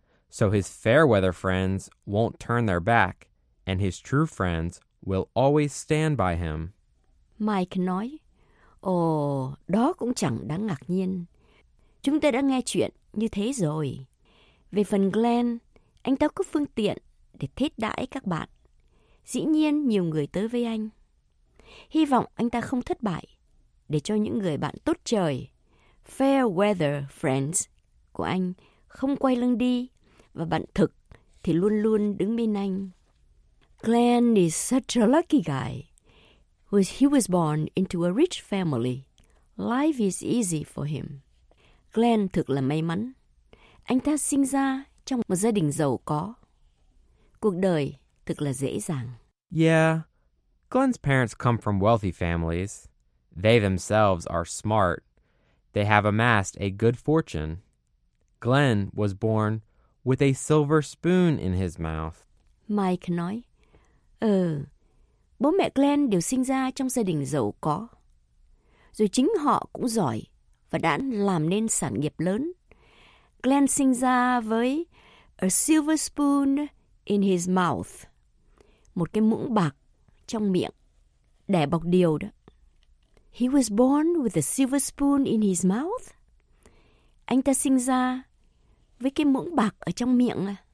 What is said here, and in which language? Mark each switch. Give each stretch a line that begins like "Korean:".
English: So his fair weather friends won't turn their back, and his true friends will always stand by him.
Vietnamese: Mike nói, ồ, đó cũng chẳng đáng ngạc nhiên. Chúng ta đã nghe chuyện như thế rồi. Về phần Glenn, anh ta có phương tiện để thiết đãi các bạn. Dĩ nhiên nhiều người tới với anh. Hy vọng anh ta không thất bại để cho những người bạn tốt trời, fair weather friends của anh không quay lưng đi và bạn thực thì luôn luôn đứng bên anh.
English: Glenn is such a lucky guy. He was born into a rich family. Life is easy for him.
Vietnamese: Glenn thực là may mắn. Anh ta sinh ra trong một gia đình giàu có. Cuộc đời thực là dễ dàng.
English: Yeah, Glenn's parents come from wealthy families. They themselves are smart. They have amassed a good fortune. Glenn was born with a silver spoon in his mouth.
Vietnamese: Mike nói, bố mẹ Glenn đều sinh ra trong gia đình giàu có. Rồi chính họ cũng giỏi và đã làm nên sản nghiệp lớn. Glenn sinh ra với
English: a silver spoon in his mouth,
Vietnamese: một cái muỗng bạc trong miệng, đẻ bọc điều đó.
English: He was born with a silver spoon in his mouth.
Vietnamese: Anh ta sinh ra với cái muỗng bạc ở trong miệng.